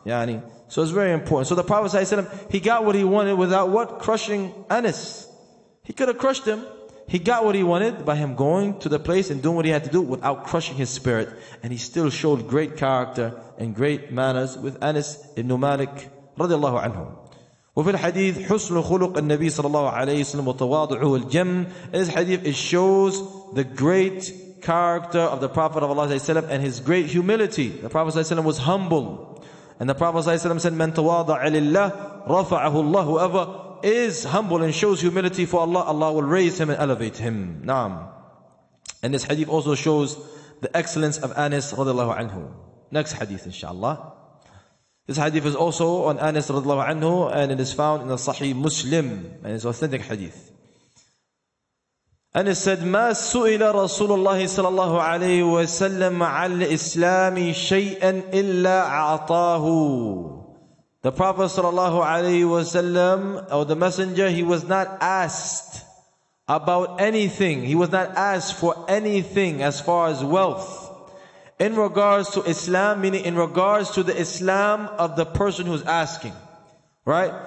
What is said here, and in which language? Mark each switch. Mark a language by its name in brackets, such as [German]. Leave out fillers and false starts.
[English] Yani, so it's very important. So the Prophet ﷺ, he got what he wanted without what? Crushing Anas. He could have crushed him. He got what he wanted by him going to the place and doing what he had to do without crushing his spirit. And he still showed great character and great manners with Anas ibn Malik radiallahu anhu. [Arabic] وفي الحديث حسن خلق النبي صلى الله عليه وسلم وتواضعه الجم. [English] In this hadith, it shows the great character of the Prophet of Allah صلى الله and his great humility. The Prophet صلى الله عليه was humble. And the Prophet صلى الله عليه said, [Arabic] من تواضع لله رفعه الله. [English] Whoever is humble and shows humility for Allah, Allah will raise him and elevate him. [Arabic] نعم. [English] And this hadith also shows the excellence of Anas رضي الله عنه. Next hadith, inshallah. This hadith is also on Anas radiallahu anhu, and it is found in the Sahih Muslim, and it's authentic hadith. Anas said, [Arabic] ما سئل رسول الله صلى الله عليه وسلم على الإسلام شيئا إلا أعطاه. [English] The Prophet صلى الله عليه وسلم, or the Messenger, he was not asked about anything. He was not asked for anything as far as wealth. In regards to Islam, meaning in regards to the Islam of the person who's asking, right?